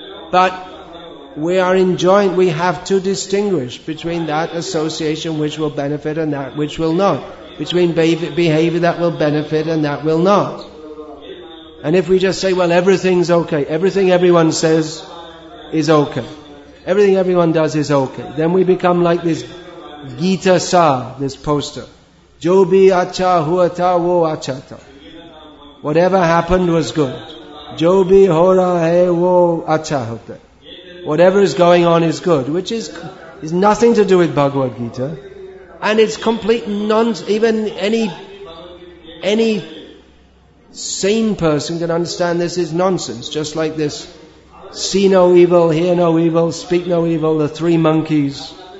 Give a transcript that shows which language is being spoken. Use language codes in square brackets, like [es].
[en] But we are enjoined, we have to distinguish between that association which will benefit and that which will not. Between behavior that will benefit and that will not. And if we just say, well, everything's okay, everything everyone says is okay, everything everyone does is okay, then we become like this Gita Sa, this poster. [hi] जो भी अच्छा हुआ था, वो अच्छा था. [en] Whatever happened was good. [hi] जो भी हो रहा है, वो अच्छा होता. [en] Whatever is going on is good, which is nothing to do with Bhagavad Gita. And it's complete nonsense. Even any sane person can understand this is nonsense. Just like this, see no evil, hear no evil, speak no evil, the three monkeys.